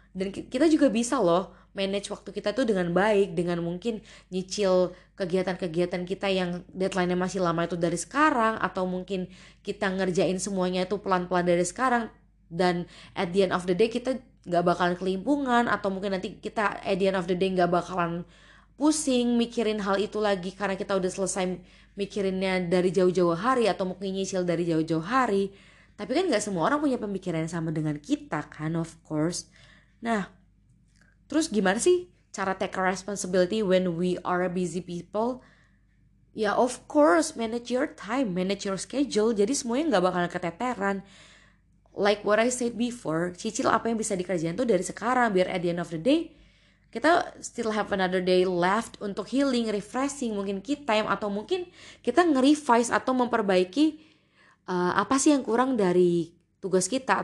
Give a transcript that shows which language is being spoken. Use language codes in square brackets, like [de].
[id] Dan kita juga bisa loh manage waktu kita tuh dengan baik, dengan mungkin nyicil kegiatan-kegiatan kita yang deadline-nya masih lama itu dari sekarang, atau mungkin kita ngerjain semuanya itu pelan-pelan dari sekarang, dan [en] at the end of the day [id] kita gak bakalan kelimpungan, atau mungkin nanti kita at the end of the day gak bakalan pusing mikirin hal itu lagi karena kita udah selesai mikirinnya dari jauh-jauh hari, atau mungkin nyicil dari jauh-jauh hari. Tapi kan gak semua orang punya pemikiran yang sama dengan kita kan, [en] of course. [id] Nah, terus gimana sih cara [en] take responsibility when we are busy people? Ya of course, manage your time, manage your schedule. [id] Jadi semuanya gak bakalan keteteran. [en] Like what I said before, [id] cicil apa yang bisa dikerjain tuh dari sekarang. Biar [en] at the end of the day, [id] kita [en] still have another day left [id] untuk [en] healing, refreshing, [id] mungkin [en] key time. [id] Atau mungkin kita nge-revise atau memperbaiki apa sih yang kurang dari tugas kita.